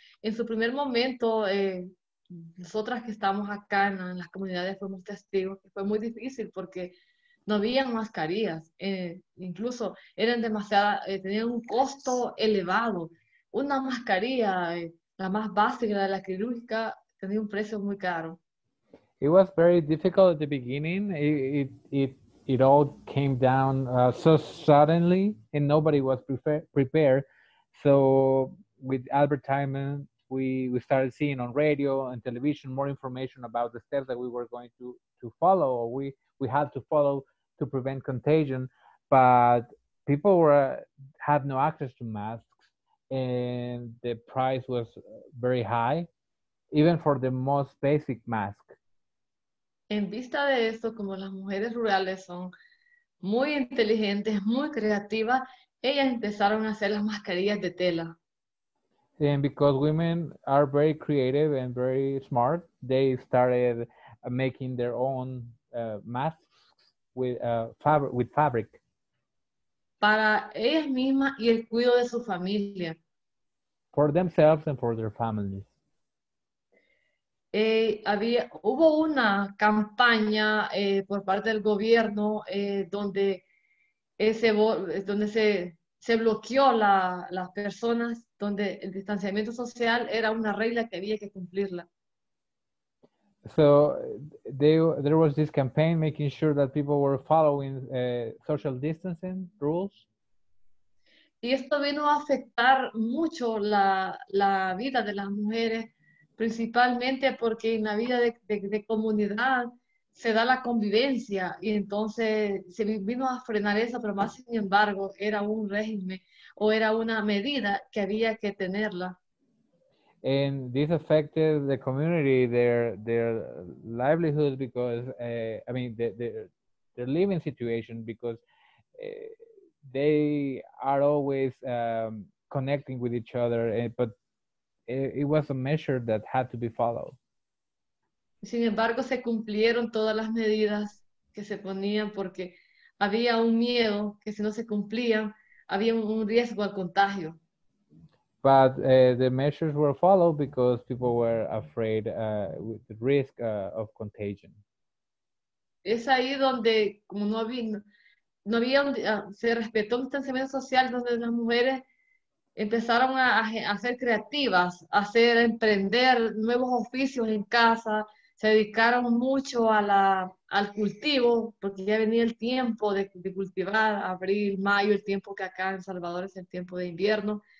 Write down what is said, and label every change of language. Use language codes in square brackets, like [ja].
[es] En su primer momento, nosotras que estamos acá en las comunidades fuimos testigos, que fue muy difícil porque no habían mascarillas, incluso eran tenían un costo elevado. Una mascarilla, la más básica de la quirúrgica, tenía un precio muy caro. [en] It was very difficult at the beginning. It all came down so suddenly, and nobody was prepared. So with advertisement, we started seeing on radio and television more information about the steps that we were going to follow, or we had to follow to prevent contagion. But people had no access to masks, and the price was very high, even for the most basic mask. [es] En vista de esto, como las mujeres rurales son muy inteligentes, muy creativas, ellas empezaron a hacer las mascarillas de tela. [en] And because women are very creative and very smart, they started making their own masks with fabric. [es] Para ellas mismas y el cuidado de su familia. [en] For themselves and for their families. [es] Hubo una campaña por parte del gobierno donde se bloqueó las personas, donde el distanciamiento social era una regla que había que cumplirla. [en] So there was this campaign making sure that people were following social distancing rules. [es] Y esto vino a afectar mucho la vida de las mujeres, principalmente porque en la vida de comunidad se da la convivencia, y entonces se vino a frenar eso, pero más sin embargo era un régimen o era una medida que había que tenerla. [en] And this affected the community, their livelihood, because their living situation, because they are always connecting with each other, but it was a measure that had to be followed. [es] Sin embargo, se cumplieron todas las medidas que se ponían porque había un miedo que si no se cumplían, había un riesgo al contagio. [en] But the measures were followed because people were afraid with the risk of contagion. [es] Es ahí donde, como no había, se respetó un distanciamiento social, donde las mujeres empezaron a ser creativas, a emprender nuevos oficios en casa. Se dedicaron mucho al cultivo, porque ya venía el tiempo de cultivar, abril, mayo, el tiempo que acá en Salvador es el tiempo de invierno.